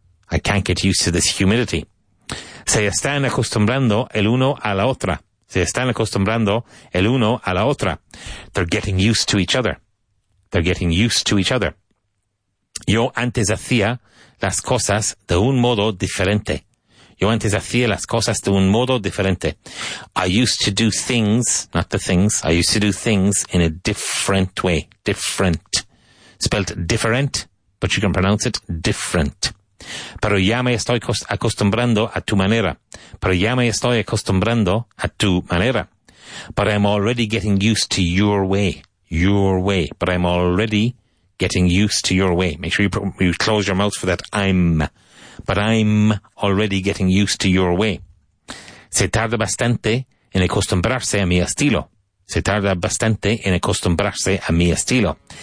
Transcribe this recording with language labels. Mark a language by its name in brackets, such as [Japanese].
[English] I can't get used to this humidity. [Spanish] Se están acostumbrando el uno a la otra. Se están acostumbrando el uno a la otra. [English] They're getting used to each other. They're getting used to each other. [Spanish] Yo antes hacía las cosas de un modo diferente. Yo antes hacía las cosas de un modo diferente. [English] I used to do things, not the things. I used to do things in a different way. Different. Spelled different, but you can pronounce it different. [Spanish] Pero ya me estoy acostumbrando a tu manera. Pero ya me estoy acostumbrando a tu manera. [English] But I'm already getting used to your way. Your way. But I'm already getting used to your way. Make sure you close your mouth for that I'm. But I'm already getting used to your way. [Spanish] Se tarda bastante en acostumbrarse a mi estilo. Se tarda bastante en acostumbrarse a mi estilo.